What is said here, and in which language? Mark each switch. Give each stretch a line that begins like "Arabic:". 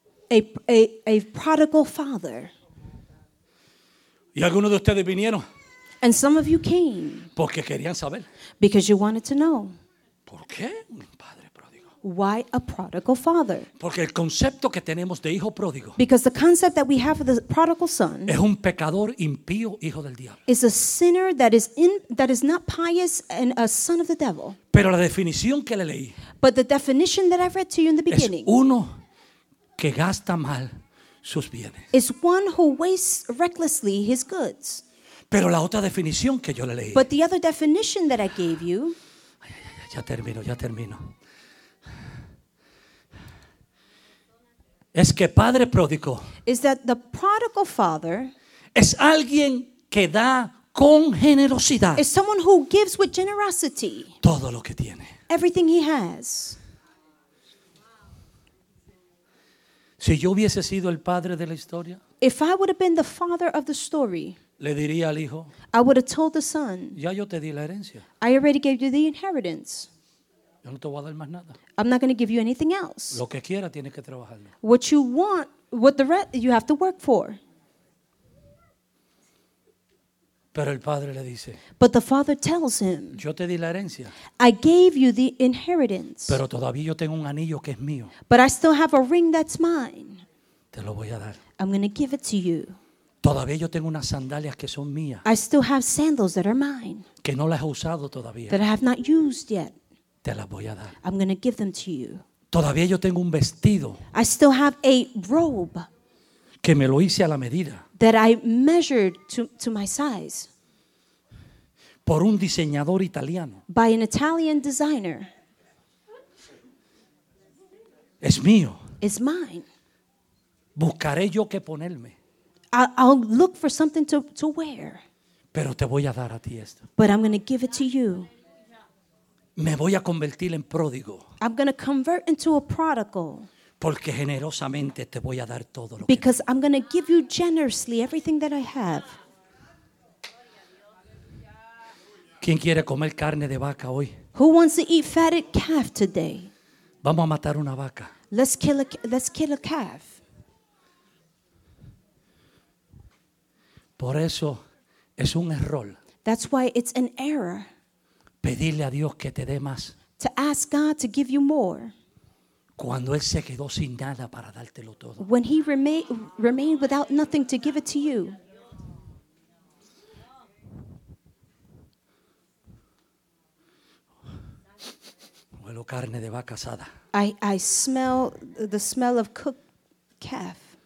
English: A prodigal father.
Spanish: Y algunos de ustedes vinieron.
English: And some of you came.
Spanish: Porque querían saber.
English: Because you wanted to know.
Spanish: ¿Por qué un padre pródigo?
English: Why a prodigal father?
Spanish: Porque el concepto que tenemos de hijo pródigo.
English: Because the concept that we have of the prodigal son.
Spanish: Es un pecador impío, hijo del diablo.
English: Is a sinner that is not pious and a son of the devil.
Spanish: Pero la definición que le leí.
English: But the definition that I've read to you in the beginning
Spanish: es uno que gasta mal sus bienes.
English: Is one who wastes recklessly his goods.
Spanish: Pero la otra definición que yo le leí.
English: But the other definition that I gave you.
Spanish: Ya termino, ya termino. Es que padre pródigo.
English: Is that the prodigal father.
Spanish: Es alguien que da con generosidad.
English: Is someone who gives with generosity.
Spanish: Todo lo que tiene.
English: Everything he has.
Spanish: Si yo hubiese sido el padre de la historia,
English: if I would have been the father of the story,
Spanish: le diría al hijo,
English: I would have told the son,
Spanish: ya yo te di la herencia.
English: I already gave you the inheritance.
Spanish: Yo no te voy a dar más nada.
English: I'm not going to give you anything else.
Spanish: Lo que quiera, tienes que trabajarlo.
English: What you want, what the rest, you have to work for.
Spanish: Pero el padre le dice,
English: but the father tells him,
Spanish: yo te di la herencia.
English: I gave you the inheritance.
Spanish: Pero todavía yo tengo un anillo que es mío.
English: But I still have a ring that's mine.
Spanish: Te lo voy a dar.
English: I'm going to give it to you.
Spanish: Todavía yo tengo unas sandalias que son mías.
English: I still have sandals that are mine.
Spanish: Que no las he usado todavía.
English: That I have not used yet.
Spanish: Te las voy a dar.
English: I'm going to give them to you.
Spanish: Todavía yo tengo un vestido.
English: I still have a robe.
Spanish: Que me lo hice a la medida.
English: That I measured to my size.
Spanish: Por un diseñador italiano.
English: By an Italian designer.
Spanish: Es mío.
English: It's mine.
Spanish: Buscaré yo qué ponerme.
English: I'll look for something to wear.
Spanish: Pero te voy a dar a ti esto.
English: But I'm going to give it to you.
Spanish: Me voy a convertir en pródigo.
English: I'm going to convert into a prodigal.
Spanish: Porque generosamente te voy a dar todo lo
English: because
Spanish: que
English: I'm going to give you generously everything that I have.
Spanish: ¿Quién quiere comer carne de vaca hoy?
English: Who wants to eat fatted calf today?
Spanish: Vamos a matar una vaca.
English: Let's kill a calf.
Spanish: Por eso es un error.
English: That's why it's an error.
Spanish: Pedirle a Dios que te dé más.
English: To ask God to give you more.
Spanish: Cuando Él se quedó sin nada para dártelo todo.
English: When He remained without nothing to give it to you.
Spanish: Huelo carne de vaca asada.
English: I smell the smell of cooked calf.